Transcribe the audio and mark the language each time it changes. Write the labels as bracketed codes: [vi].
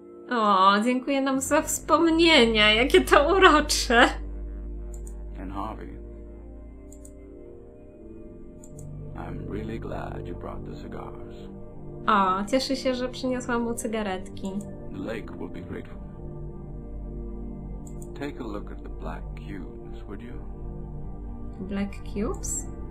[pl] O, dziękuję nam za wspomnienia, jakie to urocze. [en] And Harvey, I'm really glad you brought the cigars. [pl] O, cieszę się, że przyniosłam mu cygaretki. [en] The lake will be grateful. Take a look at the black cubes, would you? Black cubes?